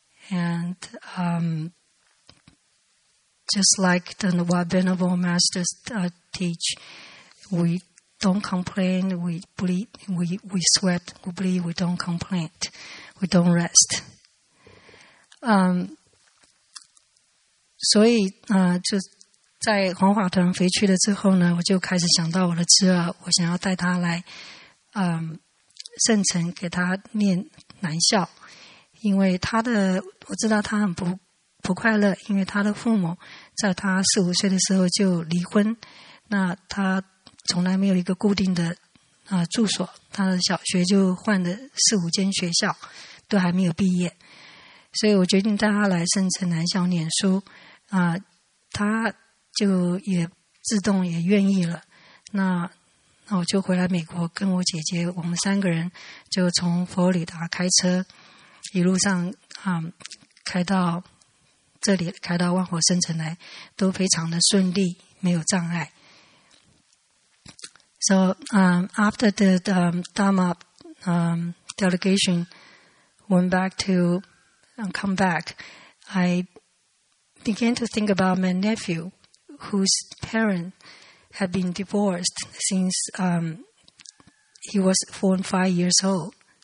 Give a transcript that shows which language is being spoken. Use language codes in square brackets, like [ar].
[en] And just like the Venerable Masters teach, we don't complain, we bleed, we sweat, we bleed, we don't complain, we don't rest. [zh] 所以就在弘法团回去了之后呢，我就开始想到我的侄儿，我想要带他来圣城给他念男校。因为我知道他很不快乐，因为他的父母在他4-5岁的时候就离婚，那他从来没有一个固定的住所，他的小学就换了4-5间学校，都还没有毕业，所以我决定带他来圣城南校念书，他就也自动也愿意了，那我就回来美国，跟我姐姐，我们三个人就从佛罗里达开车。一路上开到这里，开到万佛圣城来，都非常的顺利，没有障碍。 [en] So after the Dharma delegation went back to come back, I began to think about my nephew, whose parents had been divorced since he was 4 and 5 years old.